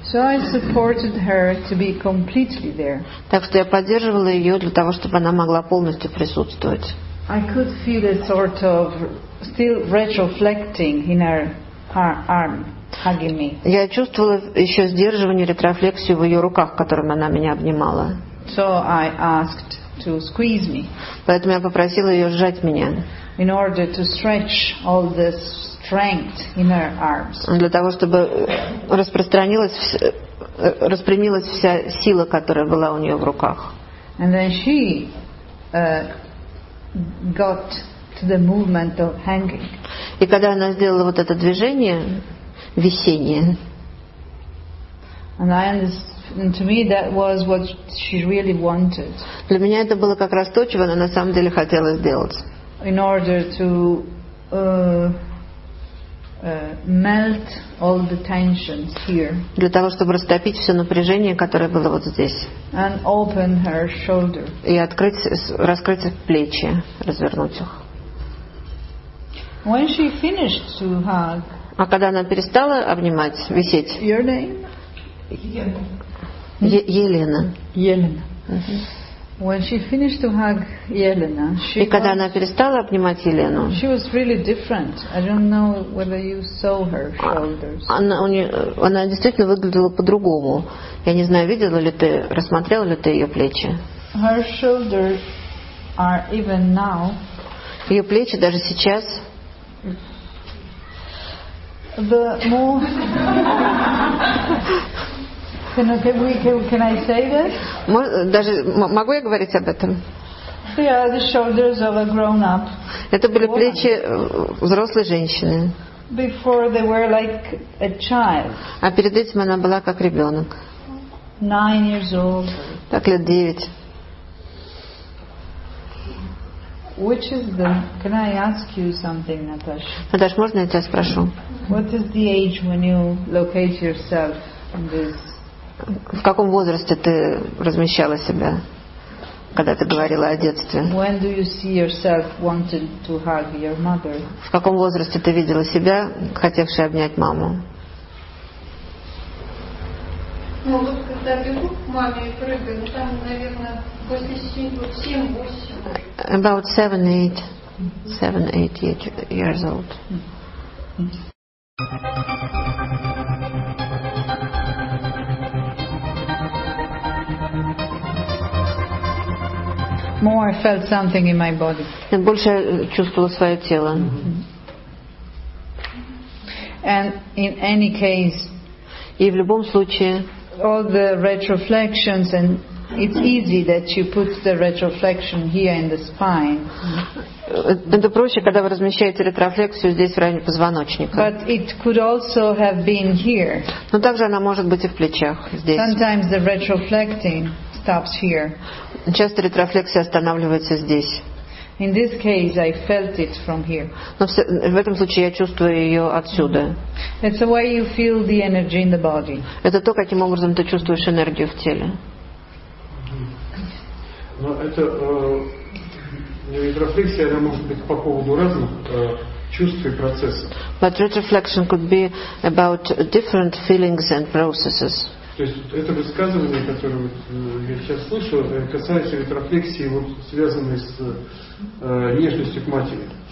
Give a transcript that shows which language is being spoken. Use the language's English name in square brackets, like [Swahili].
[English] So I supported her to be completely there. [Russian] Так что я поддерживала ее для того, чтобы она могла полностью присутствовать. [English] I could feel a sort of still retroflecting in her arm, hugging me. [Russian] Я чувствовала еще сдерживание, ретрофлексию в ее руках, которыми она меня обнимала. [English] So I asked to squeeze me. [Russian] Поэтому я попросила ее сжать меня. [English] In order to stretch all this strength in her arms. [Russian] Для того, чтобы распрямилась вся сила, которая была у нее в руках. [English] And then she got to the movement of hanging. [Russian] И когда она сделала вот это движение висение. [English] And I and to me that was what she really wanted. [Russian] Для меня это было как раз то, чего она на самом деле хотела сделать. [English] In order to melt all the tensions here. [Russian] Для того, чтобы растопить все напряжение, которое было вот здесь. [English] And open her shoulder. [Russian] И раскрыть плечи, развернуть их. [English] When she finished to hug. [Russian] А когда она перестала обнимать, висеть? [English] Your name? [Russian] Елена. [English] Елена. When she finished to hug Yelena, she [Russian] И когда она перестала обнимать Елену, [English] she was really different. I don't know whether you saw her shoulders. [Russian] Она действительно выглядела по-другому. Я не знаю, рассмотрела ли ты ее плечи. [English] Her shoulders are even now. [Russian] Ее плечи даже сейчас. [English] The more. Can I say this? [Russian] Даже могу я говорить об этом? [English] They are the shoulders of a grown-up. [Russian] Это были плечи взрослой женщины. [English] Before they were like a child. [Russian] А перед этим она была как ребенок. [English] 9 years old. [Russian] Так лет 9. [English] Which is the? Can I ask you something, Natasha? [Russian] Наташ, можно я тебя спрошу? [English] What is the age when you locate yourself in this? [Russian] В каком возрасте ты размещала себя, когда ты говорила о детстве? [English] When do you see yourself wanting to hug your mother? [Russian] В каком возрасте ты видела себя, хотевшей обнять маму? Ну, вот когда бегу к маме и прыгаю, там, наверное, после 7-8. [English] About 7-8. 7-8 years old. More I felt something in my body. [Russian] Больше я чувствовала свое тело. [English] And in any case, [Russian] и в любом случае, [English] all the retroflexions, and it's easy that you put the retroflexion here in the spine. [Russian] Это проще, когда вы размещаете ретрофлексию здесь в районе позвоночника. [English] But it could also have been here. [Russian] Но также она может быть и в плечах здесь. [English] Sometimes the retroflecting stops here. [Russian] Часто ретрофлексия останавливается здесь. [English] In this case, I felt it from here. [Russian] Но в этом случае я чувствую ее отсюда. [English] It's the way you feel the energy in the body. [Russian] Это то, каким образом ты чувствуешь энергию в теле. Но это ретрофлексия, она может быть по поводу разных чувств и процессов. [English] But retroflexion could be about different feelings and processes. [Russian] То есть это высказывание, которое я сейчас слышу, касается ретрофлексии, вот, связанной с нежностью к матери.